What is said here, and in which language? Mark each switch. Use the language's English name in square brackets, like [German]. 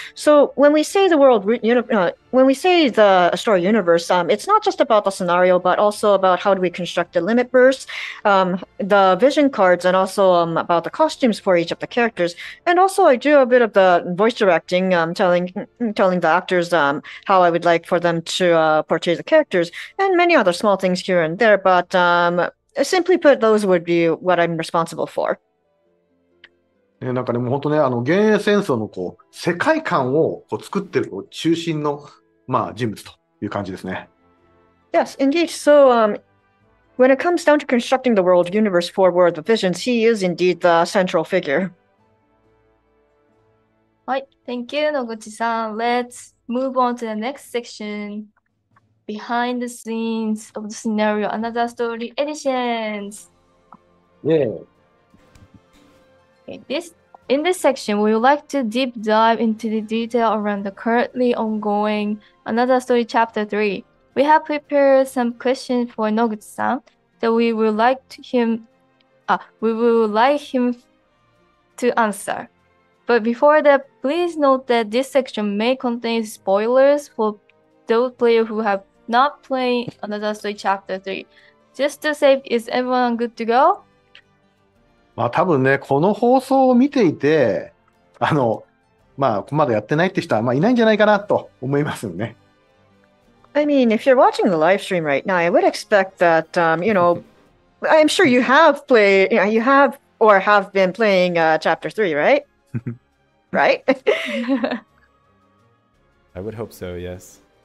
[English] So when we say the story universe, it's not just about the scenario, but also about how do we construct the limit burst, the vision cards, and also about the costumes for each of the characters. And also I do a bit of the voice directing, telling the actors how I would like for them to portray the characters, and many other small things here and there. But simply put, those would be what I'm responsible for. [Japanese] ね、なんかね、もう本当ね、幻影戦争のこう世界観をこう作ってる中心の、まあ、人物という感じですね。 [English] Yes, indeed. So, when it comes down to constructing the world universe for World of Visions, he is indeed the central figure. はい、Thank you, Noguchi-san. Let's move on to the next section. Behind the scenes of the scenario, another story editions. Yeah. In this section, we would like to deep dive into the detail around the currently ongoing another story chapter 3. We have prepared some questions for Noguchi-san that we would like him to answer. But before that, please note that this section may contain spoilers for those players who have. Not playing another story chapter 3. Just to save, is everyone good to go? [Japanese] まあ多分ね、この放送を見ていて、まあまだやってないって人はまあいないんじゃないかなと思いますよね。 [English] I mean, if you're watching the live stream right now, I would expect that, you know, I'm sure you have played, you know, you have or have been playing chapter 3, right? right? I would hope so, yes.